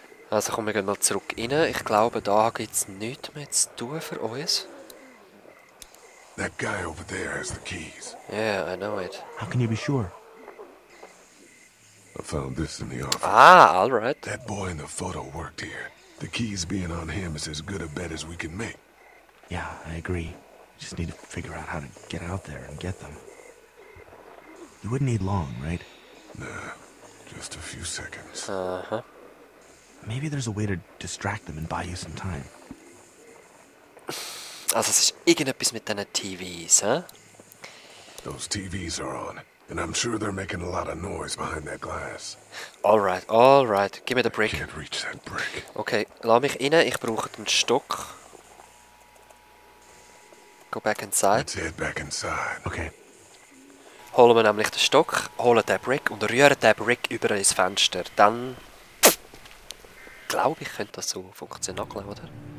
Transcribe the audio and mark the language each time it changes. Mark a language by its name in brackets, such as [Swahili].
[German] Also, kommen wir mal zurück rein. Ich glaube, da gibt's nichts mehr zu tun für uns. [English] That guy over there has the keys. Yeah, I know it. How can you be sure? I found this in the office. Ah, all right. That boy in the photo worked here. The keys being on him is as good a bet as we can make. Yeah, I agree. Just need to figure out how to get out there and get them. You wouldn't need long, right? Nah, just a few seconds. Uh-huh. Maybe there's a way to distract them and buy you some time. [German] Also, es ist irgendetwas mit diesen TVs, hä? [English] Those TVs are on, and I'm sure they're making a lot of noise behind that glass. All right, give me the brick. I can't reach that brick. [German] Okay, lass mich rein, ich brauche den Stock. [English] Go back inside. Let's head back inside. Okay. [German] Holen wir nämlich den Stock, holen den Brick und rühren den Brick über ins Fenster. Dann... glaube ich, könnte das so funktionieren, oder?